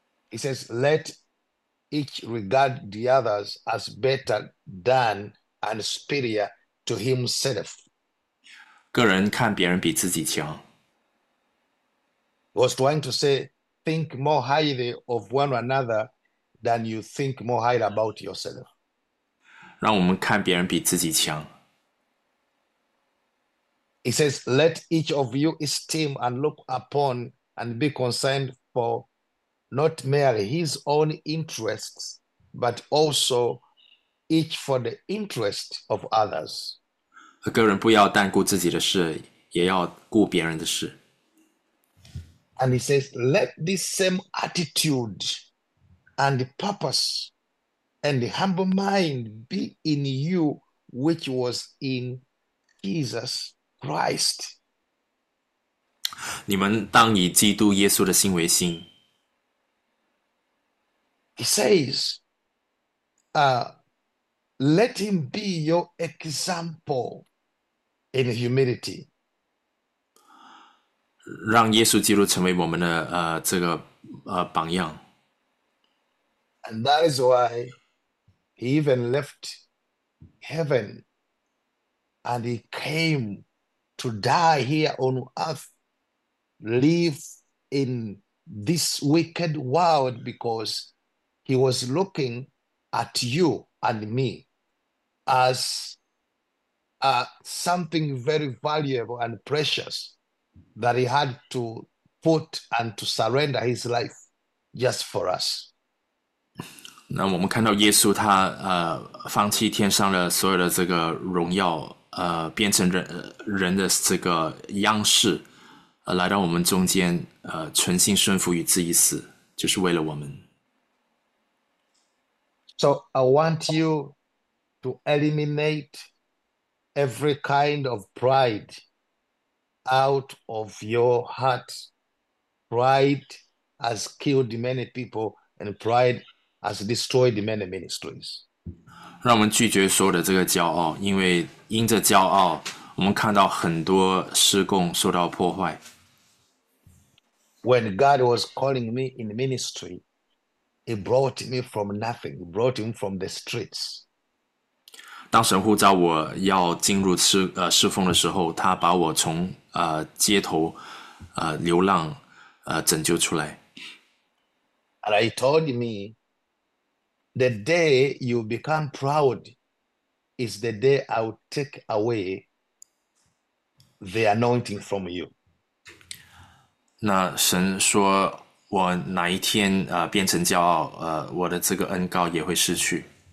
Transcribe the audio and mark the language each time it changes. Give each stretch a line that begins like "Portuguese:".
English: he says, let each regard the others as better than and superior to himself.
Chinese: 个人看别人比自己强。
English: He was trying to say, think more highly of one another than you think more highly about yourself.
Chinese: 让我们看别人比自己强。
English: He says, let each of you esteem and look upon and be concerned for not merely his own interests, but also each for the interest of others.
Chinese: 个人不要单顾自己的事，也要顾别人的事。
English: And he says, let this same attitude and purpose and humble mind be in you, which was in Jesus Christ.
Chinese: 你们当以基督耶稣的心为心。
English: He says, let him be your example in humility.
Chinese: 让耶稣基督成为我们的榜样。
English: And that is why he even left heaven and he came to die here on earth, live in this wicked world, because he was looking at you and me as something very valuable and precious that he had to put and to surrender his life just for us.
Chinese: 那我们看到耶稣他放弃天上的所有的这个荣耀，变成人的这个样式，来到我们中间，存心顺服与自己死，就是为了我们。
English: So I want you to eliminate every kind of pride out of your heart. Pride has killed many people, and pride has destroyed many ministries.
Chinese: 让我们拒绝所有的这个骄傲，因为因着骄傲，我们看到很多事工受到破坏。
English: When God was calling me in ministry, He brought me from nothing. He brought him from the streets.
Chinese: 当神呼召我要进入侍奉的时候，他把我从街头流浪拯救出来。
English: And he told me, the day you become proud is the day I will take away the anointing from you.
Chinese: 那神说，我哪一天变成骄傲，我的这个恩膏也会失去。